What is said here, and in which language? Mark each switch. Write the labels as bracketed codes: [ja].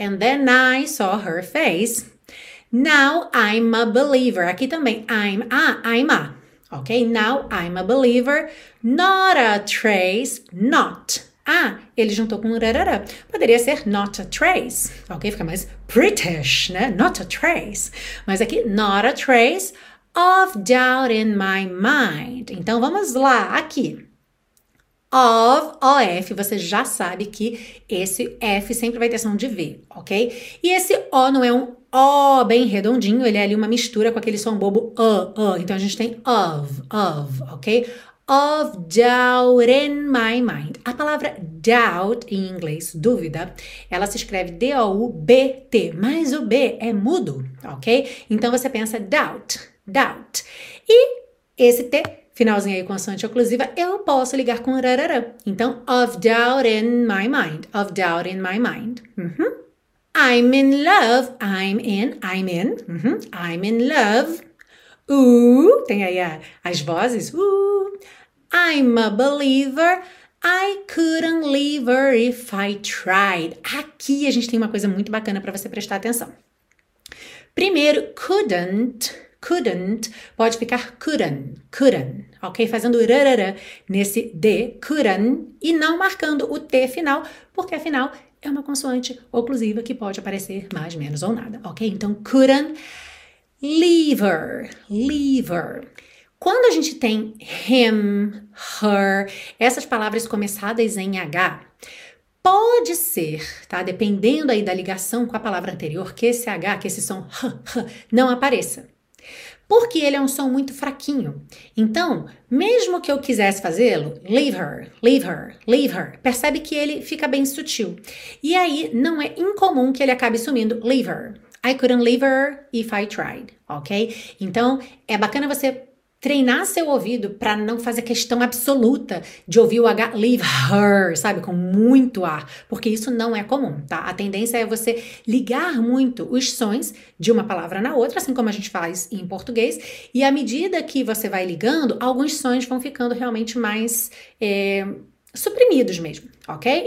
[en] And then I saw her face. Now I'm a believer. [pt] Aqui também, [en] I'm a. Ok? Now I'm a believer. Not a trace, not. [pt] Ah, ele juntou com rarara. Poderia ser [en] not a trace, [pt] ok? Fica mais British, né? [en] Not a trace. [pt] Mas aqui, [en] not a trace of doubt in my mind. [pt] Então, vamos lá, aqui. Of, O-F, você já sabe que esse F sempre vai ter som de V, ok? E esse O não é um O bem redondinho, ele é ali uma mistura com aquele som bobo, Então, a gente tem of, ok? [en] Of doubt in my mind. [pt] A palavra doubt em inglês, dúvida, ela se escreve D-O-U-B-T, mas o B é mudo, ok? Então você pensa doubt. E esse T, finalzinho aí com a consoante oclusiva, eu posso ligar com rarara. [en] Então, of doubt in my mind. Of doubt in my mind. I'm in love. I'm in. I'm in love. [pt] Tem aí as vozes. [en] I'm a believer, I couldn't leave her if I tried. [pt] Aqui a gente tem uma coisa muito bacana para você prestar atenção. Primeiro, couldn't, pode ficar couldn't, ok? Fazendo rarara nesse D, couldn't, e não marcando o T final, porque afinal é uma consoante oclusiva que pode aparecer mais, menos ou nada, ok? [en] Então, couldn't leave her. [pt] Quando a gente tem him, her, essas palavras começadas em H, pode ser, tá? Dependendo aí da ligação com a palavra anterior, que esse H, que esse som h, h, não apareça. Porque ele é um som muito fraquinho. Então, mesmo que eu quisesse fazê-lo, leave her, percebe que ele fica bem sutil. E aí, não é incomum que ele acabe sumindo, leave her. [en] I couldn't leave her if I tried, ok? [pt] Então, é bacana você treinar seu ouvido para não fazer questão absoluta de ouvir o H, leave her, sabe? Com muito ar, porque isso não é comum, tá? A tendência é você ligar muito os sons de uma palavra na outra, assim como a gente faz em português, e à medida que você vai ligando, alguns sons vão ficando realmente mais suprimidos mesmo, ok?